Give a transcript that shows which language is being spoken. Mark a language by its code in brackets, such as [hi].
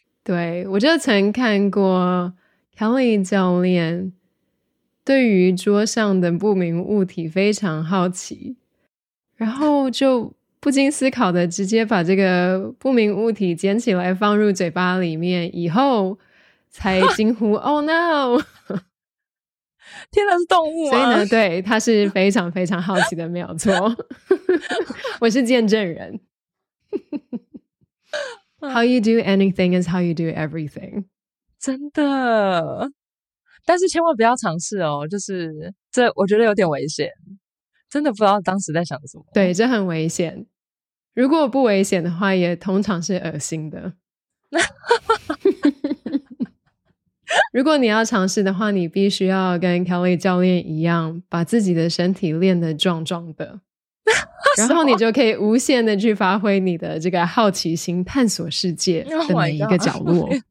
[zh] 对，我就曾看过 Kelly 教练对于桌上的不明物体非常好奇，然后就不经思考的直接把这个不明物体捡起来放入嘴巴里面，以后才惊呼 Oh no！天哪，是动物啊。所以呢，对，他是非常非常好奇的，没有错。我是见证人。 [en] How you do anything is how you do everything. [zh] 真的。但是千万不要尝试哦，就是这我觉得有点危险。真的不知道当时在想什么。对，这很危险。如果不危险的话也通常是恶心的。如果你要尝试的话，你必须要跟 Kelly 教练一样把自己的身体练得壮壮的，然后你就可以无限的去发挥你的这个好奇心，探索世界的每一个角落。